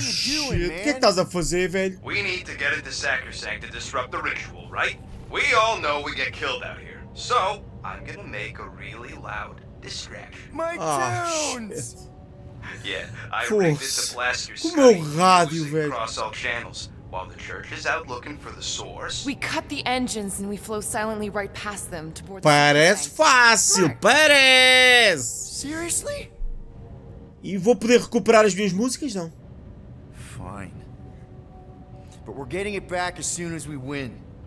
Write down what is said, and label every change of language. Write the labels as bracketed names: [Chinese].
[English] shit. [Portuguese] O que é que estás a fazer, velho? [English] We need to get into Sacrosanct to disrupt the ritual, right? We all know we get killed out here. So, I'm gonna make a really loud distraction. My tunes! Yeah, I rigged it to blast your [Portuguese] sky rádio, velho. [English] Across all channels. While the church is out looking for the source... We cut the engines and we flow silently right past them to board [Portuguese] parece [English] the... [Portuguese] Parece fácil! Parece! [English] Seriously? [Portuguese] E vou poder recuperar as minhas músicas, não? [English] Fine. But we're getting it back as soon as we win.